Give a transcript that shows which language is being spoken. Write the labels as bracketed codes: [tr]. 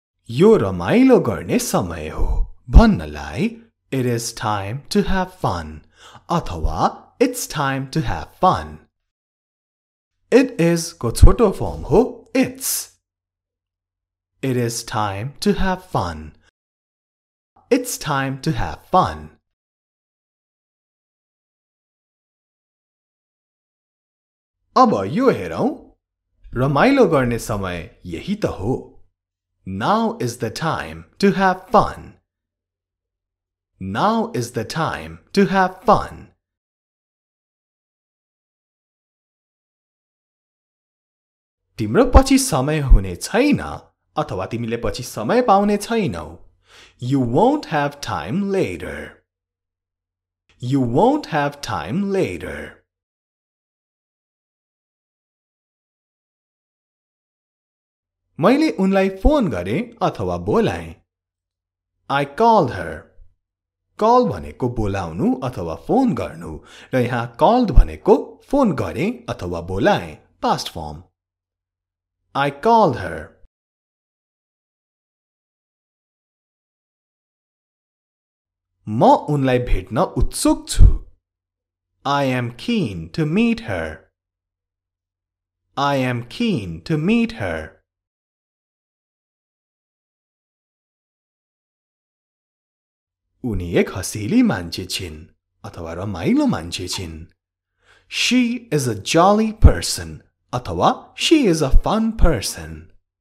[ne] यो रमाइलो गर्ने समय हो भन्नलाई [en] It is time to have fun [ne] अथवा [en] It's time to have fun. It is [ne] को छोटो फर्म हो [en] It's. It is time to have fun. It's time to have fun. [ne] अब यो हेरौँ। रमाइलो गर्ने समय यही त हो. [en] Now is the time to have fun. Now is the time to have fun. [ne] तिम्रो पछि समय हुने छैन अथवा तिमीले पछि समय पाउने छैनौ. [en] You won't have time later. You won't have time later. [ne] मैले उनलाई फोन गरे अथवा बोलाएँ. [en] I called her. [ne] कल भनेको बोलाउनु अथवा फोन गर्नु र यहाँ called भनेको फोन गरे अथवा बोलाएँ [en] past form. I called her. [ne] म उनलाई भेट्न उत्सुक छु. [en] I am keen to meet her. I am keen to meet her. [ne] उनी एक हसीली मान्छे छिन् अथवा रमाइलो मान्छे छिन्. [en] She is a jolly person [ne] अथवा [en] she is a fun person.